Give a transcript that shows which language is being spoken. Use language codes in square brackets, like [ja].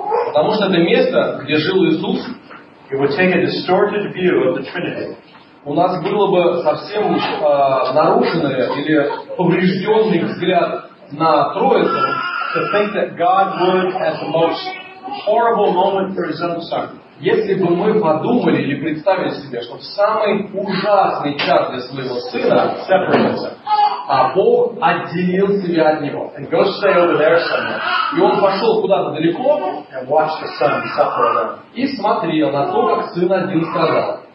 [ru] Потому что это место, где жил Иисус. [en] It would take a distorted view of the Trinity. [ru] У нас было бы совсем нарушенное или поврежденный взгляд на Троицу. [en] To think that God would at the most horrible moment for His own Son. [ru] Если бы мы подумали или представили себе, что в самый ужасный час для своего сына separated, а Бог отделил себя от него. [en] And go stay over there somewhere. [ru] И он пошел куда-то далеко [en] and watch the son suffer alone. [ru] И смотрел на то, как сын один страдал.